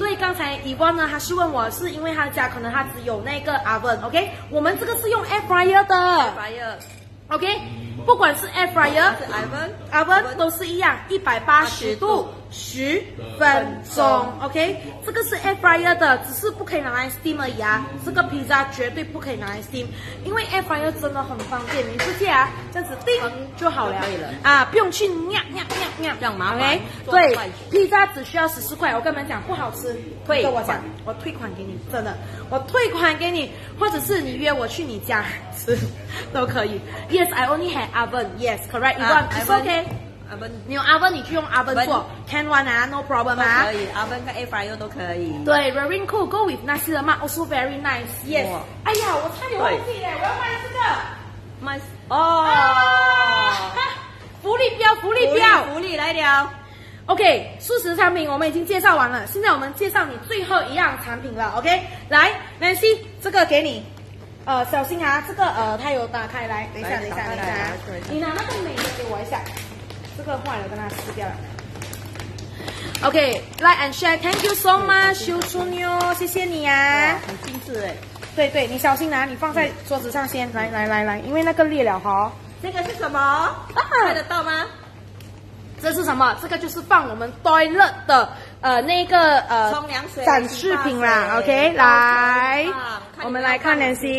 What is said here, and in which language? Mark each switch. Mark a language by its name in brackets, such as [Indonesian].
[Chinese] 对，刚才以光呢，他是问我，是因为他家可能他只有那个 oven，OK，、okay? 我们这个是用 air fryer 的。 [English] air fryer。 OK， [Chinese] 不管是 [English] air fryer、 oven [Chinese] 都是一样，180度十分钟。 OK， 这个是 air fryer 的，只是不可以拿来 steam 而已啊。这个 pizza 绝对不可以拿来 steam， 因为 air fryer 真的很方便，你直接啊这样子叮就好了，可以了啊，不用去酿这样麻烦。 [English] Okay? [Chinese] 对 ，pizza 只需要14块，我跟你们讲不好吃，退跟我讲，我退款给你，真的。我退款给你，或者是你约我去你家吃都可以。 [English] Yes, I only had oven. Yes, correct. You want? It's okay. Oven, [Chinese] 你有 oven， 你去用 oven 做 ， [English] can one [Chinese] 啊 ， [English] no problem [Chinese] 啊。可以 ，oven 跟 air fryer 都可以。 [English] 对 ，very cool. Go with [Chinese] 那些的嘛 [English] ，also very nice. Yes. [Chinese] 哎呀，我差点忘记嘞，我要卖这个。卖哦。福利标，福利标，福利来了。 OK， 素食产品我们已经介绍完了，现在我们介绍你最后一样产品了。OK， 来 ，Nancy， 这个给你，小心啊，这个它有打开，来，等一下，等一下，你拿那个美的给我一下，这个坏了，跟它撕掉了。 [English] OK， like and share，Thank you so much， 修春妞， [Chinese] 谢谢你啊，很精致哎。对对，你小心拿，你放在桌子上先，来，因为那个裂了哈。这个是什么？看得到吗？这是什么？这个就是放我们 toilet 的那个冲凉水展示品啦。 OK， 来，我们来看 Nancy，